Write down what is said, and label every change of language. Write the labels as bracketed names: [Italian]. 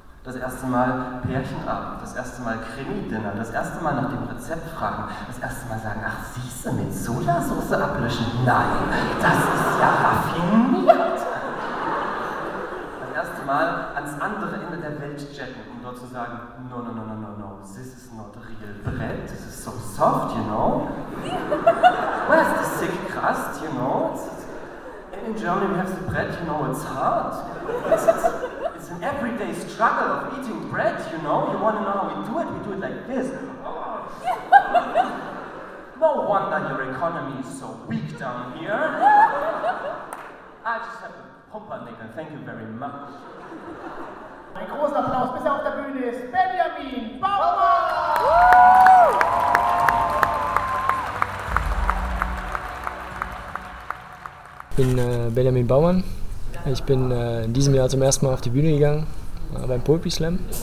[German] Das erste Mal Pärchenabend, das erste Mal Krimi-Dinner, das erste Mal nach dem Rezept fragen, das erste Mal sagen, ach siehste, mit Sojasauce ablöschen, nein, das ist ja raffiniert. Das erste Mal ans andere Ende der Welt jetten. Nur zu sagen, [English] no, this is not real bread, this is so soft, you know? Where's the thick crust, you know? In Germany we have the bread, you know, it's hard. It's an everyday struggle of eating bread, you know? You wanna know how we do it like this. No wonder your economy is so weak down here. I just have a pumpernickel, thank you very much. [German] Ein großer Applaus, bis er auf der Bühne ist, Benjamin Baumann! Ich bin Benjamin Baumann. Ich bin in diesem Jahr zum ersten Mal auf die Bühne gegangen, beim Poetry Slam.